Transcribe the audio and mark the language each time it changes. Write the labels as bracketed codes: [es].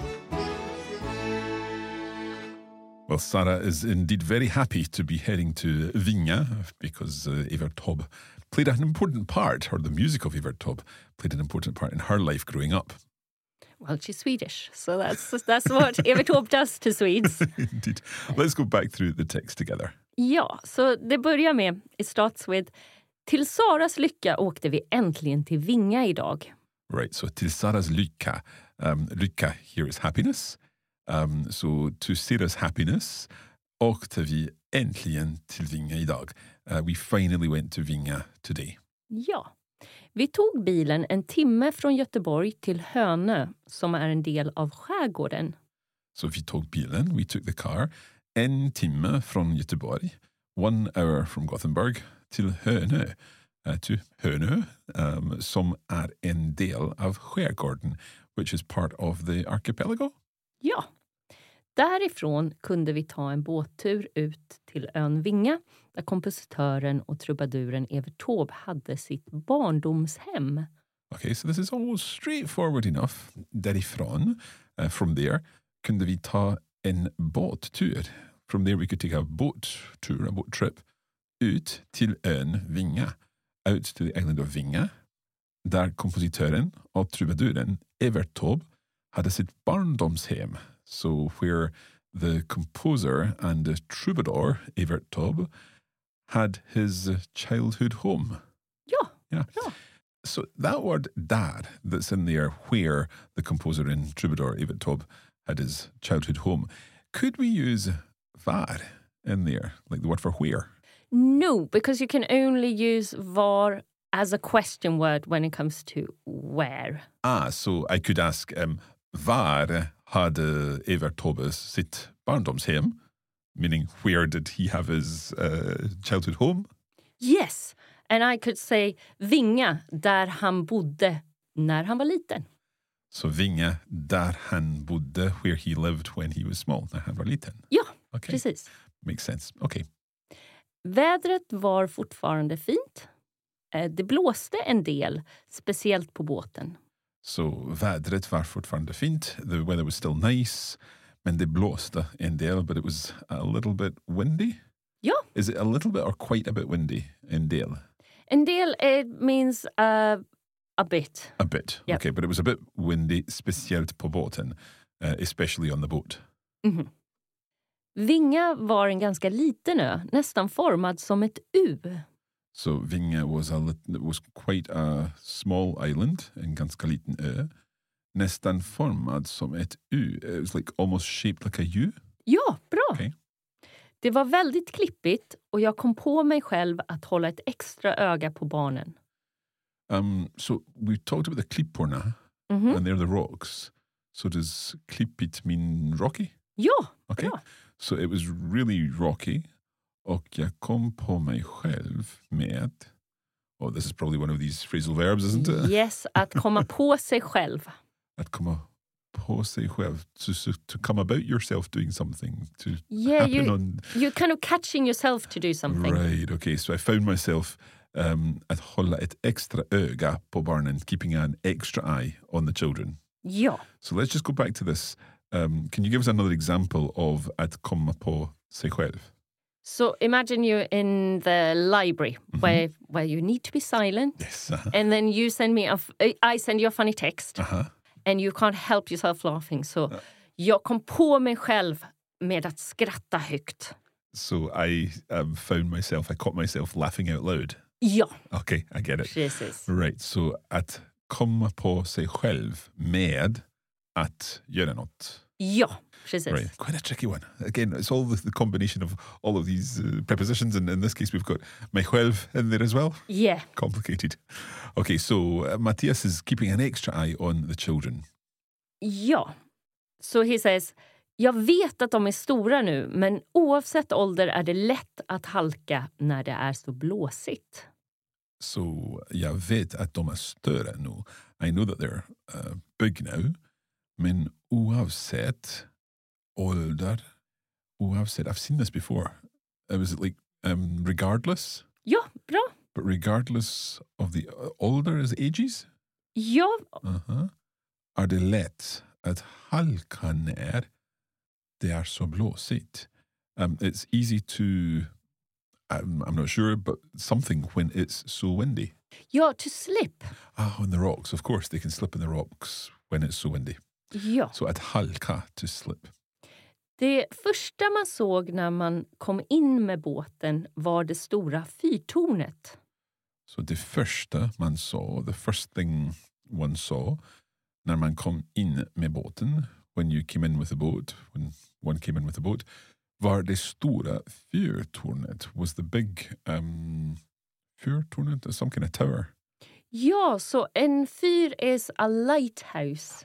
[en] Well, Sara is indeed very happy to be heading to Vinga, because Evert Taube played an important part, or the music of Evert Taube played an important part in her life growing up. Well, she's Swedish, so that's what Evert Taube does to Swedes. Indeed. Let's go back through the text together. [sv] Ja, så det börjar med, [en] it starts with, [sv] till Saras lycka åkte vi äntligen till Vinga idag. [en] Right, so [sv] till Saras lycka, [en] Lycka here is happiness. So to see us happiness, [sv] åkte vi äntligen till Vinga idag. [en] We finally went to Vinga today. [sv] Ja, vi tog bilen en timme från Göteborg till Hönö, som är en del av skärgården. Så vi tog bilen, [en] we took the car, [sv] en timme från Göteborg, [en] 1 hour from Gothenburg, [sv] till Hönö. [en] To Hönö, [sv] som är en del av skärgården, [en] which is part of the archipelago. [sv] Ja, därifrån kunde vi ta en båttur ut till ön Vinga, där kompositören och trubaduren Evert Taube hade sitt barndomshem. [en] Okay, so this is almost straightforward enough. [sv] Därifrån, [en] from there, [sv] kunde vi ta en båttur. [en] From there we could take a boat trip, [sv] ut till ön Vinga. [en] Out to the island of Vinga, [sv] där kompositören och trubaduren Evert Taube hade sitt barndomshem. [en] So where the composer and the troubadour, Evert Taube, had his childhood home. Yeah. So that word dad that's in there, where the composer and troubadour, Evert Taube, had his childhood home. Could we use var in there, like the word for where? No, because you can only use var as a question word when it comes to where. Ah, so I could ask, [sv] var had Evert Taube sitt barndomshem, [en] meaning where did he have his childhood home? Yes, and I could say [sv] Vinga, där han bodde när han var liten. [en] So Vinga, [sv] där han bodde, [en] where he lived when he was small, [sv] när han var liten. Ja, okay. Precis. [en] Makes sense, okay. [sv] Vädret var fortfarande fint. Det blåste en del, speciellt på båten. Så vädret var fortfarande fint. [en] The weather was still nice, [sv] men det blåste en del, [en] but it was a little bit windy. [sv] Ja. [en] Is it a little bit or quite a bit windy? [sv] En del. En del, [en] it means a bit. A bit. Yep. Okay, but it was a bit windy, [sv] speciellt på båten, [en] especially on the boat. Mm-hmm. [sv] Vinga var en ganska liten ö, nästan formad som ett U. [en] So Vinga was quite a small island, [sv] en ganska liten ö, nästan formad som ett U. [en] It was like almost shaped like a U. [sv] Ja, bra. [en] Okay. [sv] Det var väldigt klippigt och jag kom på mig själv att hålla ett extra öga på barnen. [en] So we talked about the klipporna, mm-hmm. and they're the rocks. So does klippigt mean rocky? [sv] Ja, [en] okay. [sv] Bra. [en] So it was really rocky. [sv] Och jag kom på mig själv med... [en] Oh, this is probably one of these phrasal verbs, isn't it? Yes, [sv] att komma på sig själv. Att komma på sig själv. [en] To come about yourself doing something. To yeah, happen you, on... you're kind of catching yourself to do something. Right, okay. So I found myself at [sv] hålla ett extra öga på barnen, [en] keeping an extra eye on the children. [sv] Ja. [en] So let's just go back to this. Can you give us another example of att komma på sig själv? So imagine you're in the library mm-hmm. where you need to be silent. Yes. Uh-huh. And then you send me I send you a funny text. Uh-huh. And you can't help yourself laughing. So [sv] jag kom på mig själv med att skratta högt. [en] So I I caught myself laughing out loud. [sv] Ja. [en] Okay, I get it. Jesus. [sv] Right, so att komma på sig själv med att göra något. Ja, precis. [en] Right. Quite a tricky one. Again, it's all the combination of all of these prepositions. And in this case, we've got [sv] mig själv [en] in there as well. Yeah. Complicated. Okay, so Matthias is keeping an extra eye on the children. [sv] Ja. [en] So he says, [sv] jag vet att de är stora nu, men oavsett ålder är det lätt att halka när det är så blåsigt. [en] So [sv] jag vet att de är större nu. [en] I know that they're big now. [sv] Men oavsett ålder, [en] I've seen this before. Was it like regardless? [sv] Ja, bra. [en] But regardless of the older as ages? [sv] Ja. Uh-huh. Är det lätt att halka när det är så blåsigt? [en] It's easy to, I'm not sure, but something when it's so windy. [sv] Ja, [en] to slip. Ah, on the rocks, of course. They can slip in the rocks when it's so windy. [sv] Ja. Så att halka, [en] to slip. [sv] Det första man såg när man kom in med båten var det stora fyrtornet. Så det första man såg, [en] the first thing one saw, när man kom in med båten, when you came in with the boat, when one came in with the boat, [sv] var det stora fyrtornet, [en] was the big fyrtornet, some kind of tower. [sv] Ja, så en fyr [en] is a lighthouse.